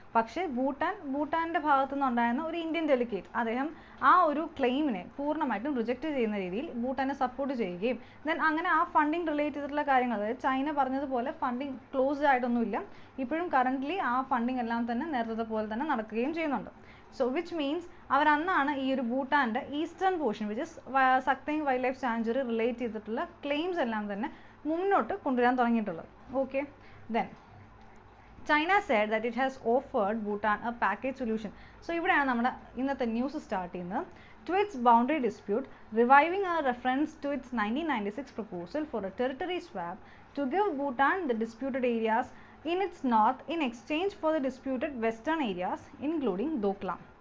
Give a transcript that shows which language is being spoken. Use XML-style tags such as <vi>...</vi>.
<ml>പക്ഷേ ഭൂട്ടാൻ്റെ ഭാഗത്തു നിന്നുണ്ടായിരുന്ന ഒരു ഇന്ത്യൻ ഡെലിഗേറ്റ് അദ്ദേഹം ആ ഒരു ക്ലെയിമിനെ പൂർണ്ണമായിട്ടും റിജക്റ്റ് ചെയ്യുന്ന രീതിയിൽ ഭൂട്ടാനെ സപ്പോർട്ട് ചെയ്യുകയും ദെൻ അങ്ങനെ ആ ഫണ്ടിങ് റിലേറ്റ് ചെയ്തിട്ടുള്ള കാര്യങ്ങൾ, അതായത് ചൈന പറഞ്ഞതുപോലെ ഫണ്ടിങ് ക്ലോസ്ഡ് ആയിട്ടൊന്നുമില്ല, ഇപ്പോഴും കറൻ്റ്ലി ആ ഫണ്ടിങ് എല്ലാം തന്നെ നേരത്തെ പോലെ തന്നെ നടക്കുകയും ചെയ്യുന്നുണ്ട്. സോ വിച്ച് മീൻസ് അവരന്നാണ് ഈ ഒരു ഭൂട്ടാൻ്റെ eastern portion, which is സക്തിങ് wild life sanctuary relate ചെയ്തിട്ടുള്ള ക്ലെയിംസ് എല്ലാം തന്നെ മുന്നോട്ട് കൊണ്ടുവരാൻ തുടങ്ങിയിട്ടുള്ളത്.</ml> <en>Okay, then China said that it has offered Bhutan a package solution. So</en> <ml>ഇവിടെയാണ് നമ്മുടെ ഇന്നത്തെ ന്യൂസ് സ്റ്റാർട്ട് ചെയ്യുന്നത്.</ml> <en>To its boundary dispute reviving a reference to its 1996 proposal for a territory swap to give Bhutan the disputed areas in its north in exchange for the disputed western areas including Doklam.</en>